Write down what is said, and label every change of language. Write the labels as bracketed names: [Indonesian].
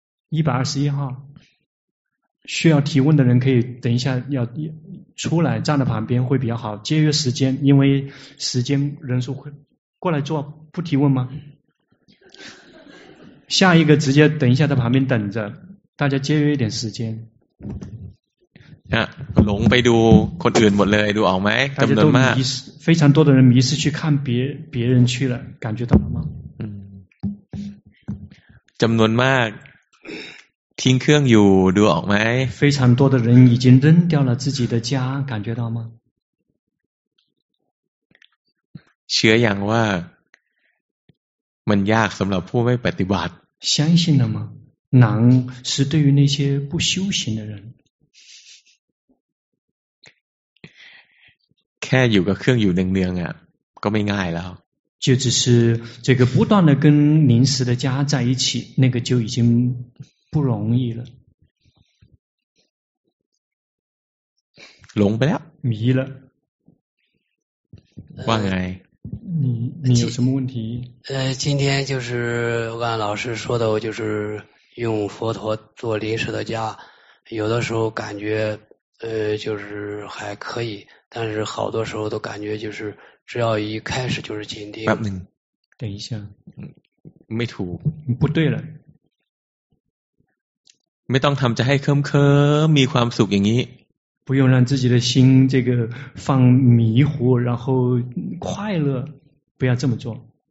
[Chinese] 121号需要提问的人可以等一下要出来站在旁边会比较好节约时间因为时间人数会过来做不提问吗下一个直接等一下在旁边等着大家节约一点时间 [Thai] หลงไปดูคนอื่นหมดเลยดูออกไหมจำนวนมาก [Chinese] 非常多的人迷失去看 别人去了感觉到了吗 [Thai] จำนวนมากทิ้งเครื่องอยู่ดูออกไหม [Chinese] 非常多的人已经扔掉了自己的家感觉到吗 [Thai] เชื่ออย่างว่ามันยากสำหรับผู้ไม่ปฏิบัติ [Chinese] 相信了吗难是对于那些不修行的人 [Thai] แค่อยู่กับเครื่องอยู่เนืองๆอ่ะก็ไม่ง่ายแล้ว [Chinese] 就只是这个不断的跟临时的家在一起那个就已经不容易了 [Thai] หลงไปแล้ว [Chinese] 迷了 [Thai] ว่าไง [Chinese] 你有什么问题今天就是我跟老师说的就是用佛陀做临时的家有的时候感觉就是还可以但是好多时候都感觉就是只要一开始就是紧盯 [Thai] แป๊บนึง [Chinese] 等一下 [Thai] ไม่ถูก [Chinese] 不对了 [Thai] ไม่ต้องทำจะให้เคิ้มๆมีความสุขอย่างนี้ [Chinese] 不用让自己的心这个放迷糊然后快乐不要这么做